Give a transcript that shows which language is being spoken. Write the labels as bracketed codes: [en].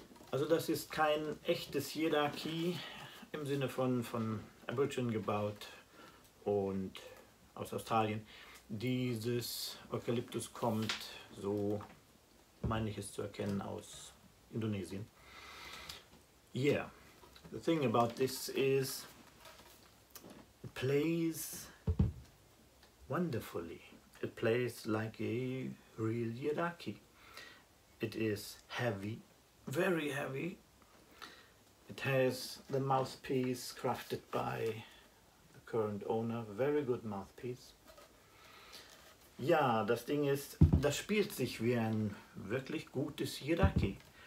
[de] Also das ist kein echtes Yidaki im Sinne von Aborigine gebaut und aus Australien. Dieses Eukalyptus kommt, so meine ich es zu erkennen, aus Indonesien. [en] Yeah, the thing about this is it plays wonderfully. It plays like a real Yidaki. It is heavy, very heavy. It has the mouthpiece crafted by the current owner. Very good mouthpiece. [de] Ja, das Ding ist, das spielt sich wie ein wirklich gutes Yidaki.